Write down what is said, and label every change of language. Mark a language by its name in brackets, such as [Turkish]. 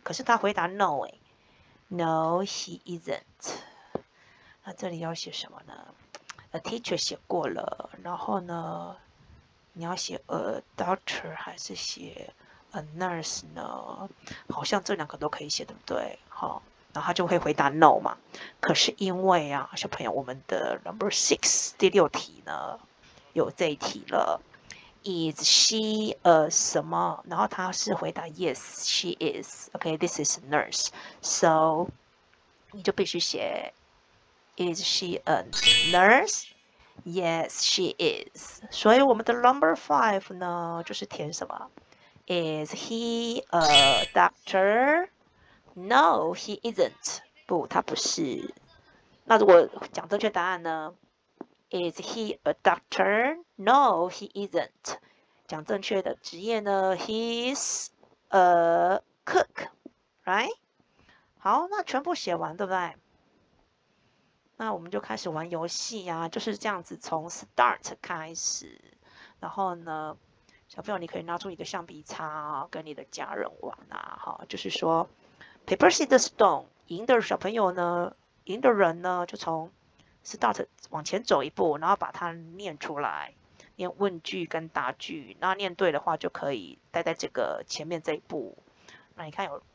[Chinese] 可是他回答 no 哎， [English] No, he isn't. [Chinese] 那这里要写什么呢？A teacher 写过了，然后呢，你要写 a doctor 还是写 a nurse 呢？好像这两个都可以写，对不对？好，然后他就会回答 no 嘛。可是因为啊，小朋友，我们的 number six 第六题呢，有这一题了 ， [English] is she a [Chinese] 什么？然后他是回答 [English] yes, she is. Okay, this is a nurse. So [Chinese] 你就必须写 [English] is she a nurse? Yes, she is. [Chinese] 所以我们的 number five 呢，就是填什么 ？ [English] Is he a doctor? No, he isn't. [Chinese] 不，他不是。那如果讲正确答案呢 ？ [English] Is he a doctor? No, he isn't. [Chinese] 讲正确的职业呢 ？ [English] He's a cook, right? [Chinese] 好，那全部写完，对不对？那我们就开始玩游戏啊，就是这样子，从 start 开始，然后呢，小朋友你可以拿出一个橡皮擦、哦、跟你的家人玩啊，哈、哦，就是说 [English] paper scissors stone， [Chinese] 赢的小朋友呢，赢的人呢，就从 start 往前走一步，然后把它念出来，念问句跟答句，那念对的话就可以待在这个前面这一步，那你看